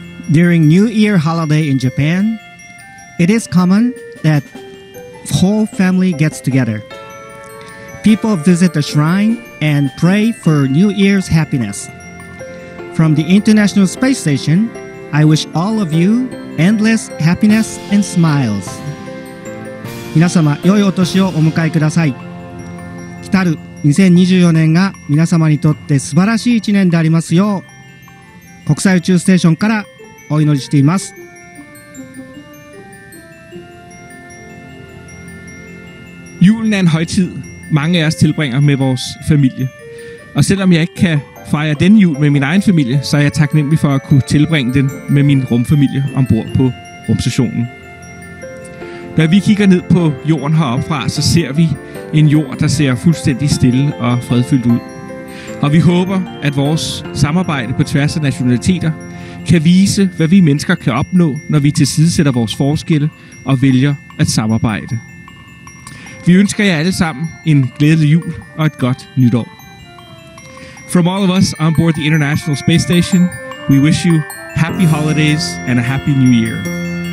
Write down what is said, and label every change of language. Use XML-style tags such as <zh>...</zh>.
<en>During New Year holiday in Japan, it is common that whole family gets together. People visit the shrine and pray for New Year's happiness. From the International Space Station, I wish all of you endless happiness and smiles.</en> <ja>皆様、良いお年をお迎えください。来たる2024年が皆様にとって素晴らしい一年でありますよう、国際宇宙ステーションからお祈りしています。</ja> <da>Julen er en højtid, mange af os tilbringer med vores familie. Og selvom jeg ikke kan fejre den jul med min egen familie, så er jeg taknemmelig for at kunne tilbringe den med min rumfamilie ombord på rumstationen. Når vi kigger ned på jorden heropfra, så ser vi en jord, der ser fuldstændig stille og fredfyldt ud. Og vi håber, at vores samarbejde på tværs af nationaliteter kan vise, hvad vi mennesker kan opnå, når vi tilsidesætter vores forskelle og vælger at samarbejde. Vi ønsker jer alle sammen en glædelig jul og et godt nytår.</da> <en>From all of us on board the International Space Station, we wish you happy holidays and a happy new year.</en>